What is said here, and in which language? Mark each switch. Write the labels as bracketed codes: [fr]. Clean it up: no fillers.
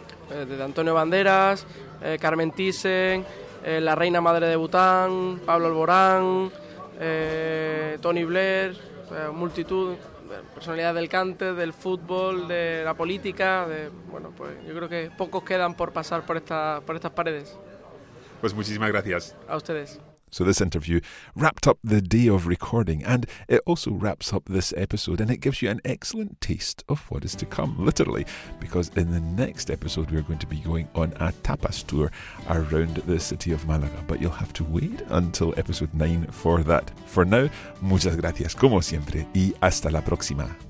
[es] De Antonio Banderas, Carmen Thyssen, la reina madre de Bután, Pablo Alborán, Tony Blair, multitud, personalidad del cante, del fútbol, de la política. Bueno, pues yo creo que pocos quedan por pasar por estas paredes. Pues muchísimas gracias. A ustedes. [en] So this interview wrapped up the day of recording, and it also wraps up this episode, and it gives you an excellent taste of what is to come, literally, because in the next episode we are going to be going on a tapas tour around the city of Málaga, but you'll have to wait until episode 9 for that. For now, [es] muchas gracias como siempre y hasta la próxima.